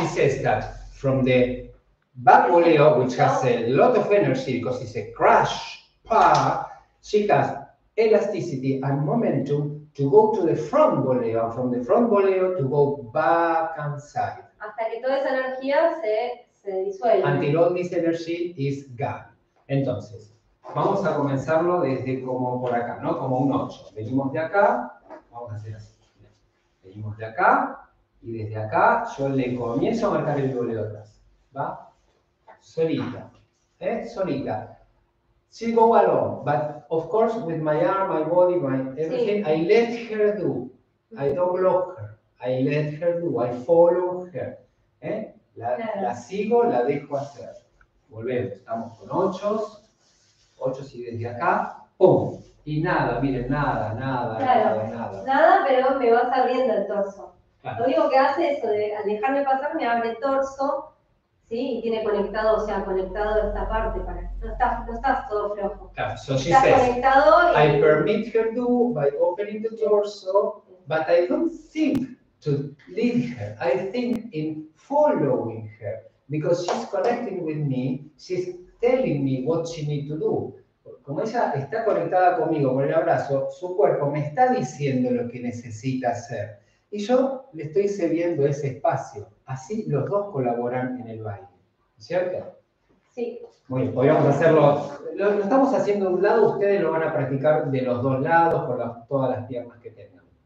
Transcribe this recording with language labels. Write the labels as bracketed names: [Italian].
[English] She says that from the back voleo, which has a lot of energy, because it's a crash, she has elasticity and momentum to go to the front voleo, from the front voleo to go back and side. [Spanish] Hasta que toda esa energía se disuelve. [English] Until all this energy is gone. [Spanish] Entonces, vamos a comenzarlo desde como por acá, ¿no? Como un 8. Venimos de acá, vamos a hacer así. Venimos de acá, y desde acá yo le comienzo a marcar el voleo atrás. ¿Va? Solita. Solita. [English] She go alone, but of course with my arm, my body, my everything, sí. I let her do. I don't block her. I let her do. I follow her. [Spanish] La sigo, la dejo hacer. Volvemos. Estamos con ochos y desde acá. ¡Pum! Y nada, miren, nada. Nada, pero me vas abriendo el torso. Claro. Lo único que hace eso, al dejarme pasar, me abre el torso. Sí, tiene conectado, o sea, conectado esta parte para no estás todo flojo. Claro, [English] so she [Spanish] estás [English] says, [Spanish] conectado y... [English] I permit her to by opening the torso, but I don't think to lead her. I think in following her because she's connecting with me. She's telling me what she need to do. [Spanish] Como ella está conectada conmigo con el abrazo, su cuerpo me está diciendo lo que necesita hacer. Y yo le estoy cediendo ese espacio. Así los dos colaboran en el baile. ¿Cierto? Sí. Muy bien, podríamos hacerlo. Lo estamos haciendo de un lado, ustedes lo van a practicar de los dos lados con todas las piernas que tengan.